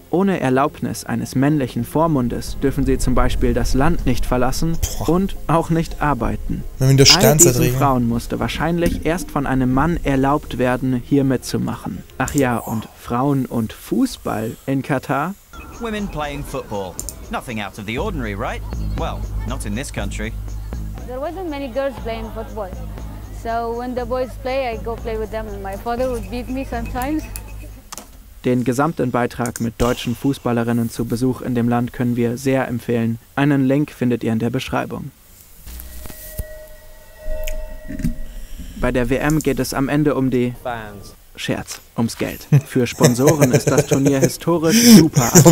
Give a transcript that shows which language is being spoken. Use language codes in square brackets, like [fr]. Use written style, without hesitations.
[de] ohne Erlaubnis eines männlichen Vormundes dürfen sie zum Beispiel das Land nicht verlassen und auch nicht arbeiten. Wenn der All diesen Frauen musste wahrscheinlich erst von einem Mann erlaubt werden, hier mitzumachen. Ach ja, und Frauen und Fußball in Katar? [en] Women playing football. Nothing out of the ordinary, right? Well, not in this country. There wasn't many girls playing football. So when the boys play, I go play with them and my father would beat me sometimes. [de] Den gesamten Beitrag mit deutschen Fußballerinnen zu Besuch in dem Land können wir sehr empfehlen. Einen Link findet ihr in der Beschreibung. Bei der WM geht es am Ende um die Fans. Scherz, ums Geld. Für Sponsoren ist das Turnier historisch super attraktiv.